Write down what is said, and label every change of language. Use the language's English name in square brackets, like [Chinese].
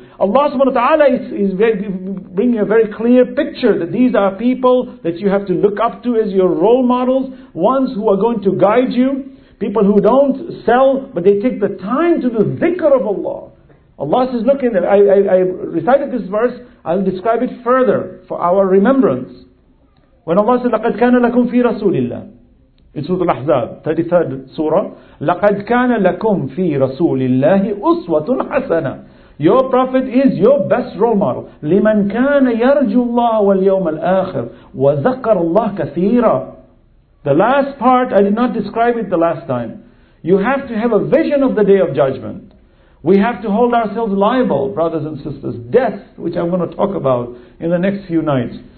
[English] Allah subhanahu wa ta'ala is bringing a very clear picture that these are people that you have to look up to as your role models, ones who are going to guide you, people who don't sell, but they take the time to do dhikr of Allah. Allah says, look, I recited this verse, I'll describe it further for our remembrance. When Allah says, [Arabic] لَقَدْ كَانَ لَكُمْ فِي رَسُولِ اللَّهِ, [English] in Surah Al-Ahzab, 33rd surah, [Arabic] لَقَدْ كَانَ لَكُمْ فِي رَسُولِ اللَّهِ أُسْوَةٌ حَسَنَةٌ. [English] Your prophet is your best role model. [Arabic] لِمَنْ كَانَ يَرْجُ اللَّهَ وَالْيَوْمَ الْآخِرِ وَذَكَّرَ اللَّهَ كَثِيرًا. [English] The last part, I did not describe it the last time. You have to have a vision of the Day of Judgment. We have to hold ourselves liable, brothers and sisters. Death, which I'm going to talk about in the next few nights.